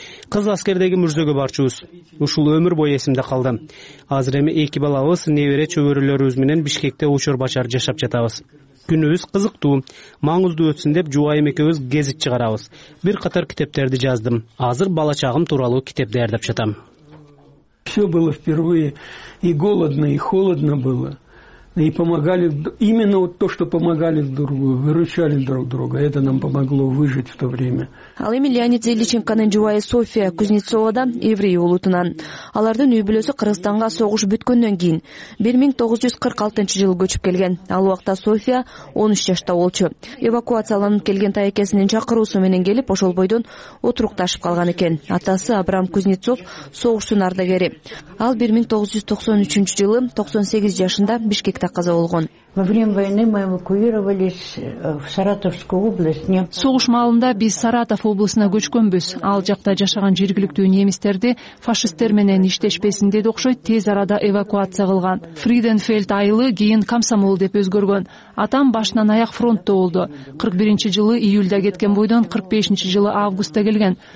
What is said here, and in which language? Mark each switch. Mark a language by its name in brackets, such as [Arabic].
[Kyrgyz] Кыз аскердеги мүрзөгө барчубуз. Ушул өмүр бою эсимде калды. Азыр эми 2 балабыз, небере чөбөрөлөрүбүз менен Бишкекте учур башар жашап жатабыз. Күнүбүз кызыктуу, маңыздуу өтсүн деп жубайым экөөбүз гезит чыгарабыз. Бир катар китептерди жаздым. Азыр бала чагым тууралуу китеп даярдап жатам. [Russian] Все было впервые, и голодно, и холодно было. И помогали, именно вот то, что помогали друг другу, выручали друг друга, это нам помогло выжить в то время. [Kyrgyz] Ал эми Леонид Зеличенконун жубайы София Кузнецовадан еврей улутунан. Алардын үй-бүлөсү Кыргызстанга согуш бүткөндөн кийин 1946 жылы көчүп келген. Ал убакта София 13 жашта болчу. Эвакуацияланып келген таякесинин чакыруусу менен келип, ошол бойдон отурукташып калган экен. Атасы Абрам Кузнецов согуштун ардагери. Ал 1993 жылы 98 жашында Бишкек каза болгон. [Russian] Во время войны мы эвакуировались в Саратовскую область. [Kyrgyz] Согуш маалында биз Саратов облусуна көчкөнбүз. Ал жакта жашаган жергиликтүү немистерди фашисттер менен иштешпесин деди окшойт, тез арада эвакуация кылган. Фриденфельд айылы кийин Комсомол деп өзгөргөн. Атам башынан аяк фронтто болду. 41 жылы июлда кеткен бойдон 45 жылы августта келген.